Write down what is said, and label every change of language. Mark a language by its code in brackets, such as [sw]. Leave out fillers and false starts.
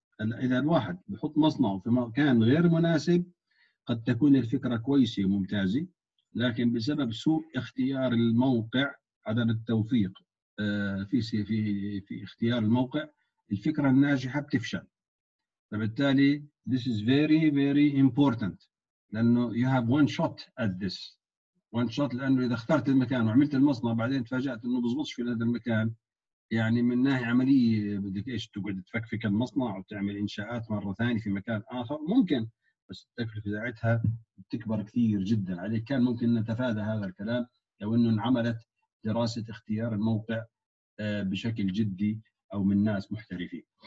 [ar] إذا الواحد بحط مصنعه في مكان غير مناسب قد تكون الفكرة كويسة وممتازة، لكن بسبب سوء اختيار الموقع، عدم التوفيق في اختيار الموقع، الفكرة الناجحة بتفشل. فبالتالي [en] this is very very important، [ar] لأنه [en] you have one shot at this. One shot، [ar] لأنه إذا اخترت المكان وعملت المصنع بعدين تفاجأت أنه بزبطش في هذا المكان، يعني من ناحية عملية بدك إيش تقعد تفكفك المصنع وتعمل إنشاءات مرة ثانية في مكان آخر، ممكن بس التكلفة ساعتها بتكبر كثير جدا عليك. كان ممكن نتفادى هذا الكلام لو أنه انعملت دراسة اختيار الموقع بشكل جدي أو من ناس محترفين.